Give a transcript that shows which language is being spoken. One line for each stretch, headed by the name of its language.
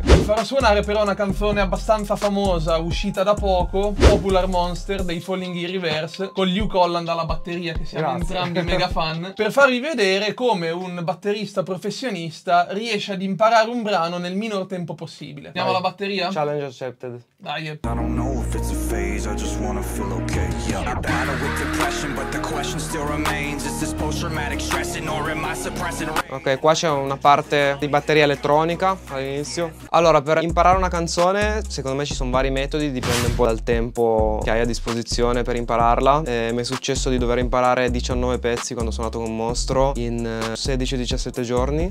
Italian: Vi farò suonare però una canzone abbastanza famosa, uscita da poco, Popular Monster dei Falling in Reverse, con Luke Holland alla batteria, che siamo grazie, entrambi mega fan, per farvi vedere come un batterista professionista riesce ad imparare un brano nel minor tempo possibile. Andiamo alla batteria?
English: Challenge accepted.
Italian: Dai.
English: I don't know if it's a phase, I just wanna feel okay. Yeah. I battle with depression, but the question still remains, is this post-traumatic stressing or am I suppressing?
Italian: Ok, qua c'è una parte di batteria elettronica all'inizio. Allora, per imparare una canzone, secondo me ci sono vari metodi, dipende un po' dal tempo che hai a disposizione per impararla. Mi è successo di dover imparare 19 pezzi quando sono andato con Mostro in 16-17 giorni.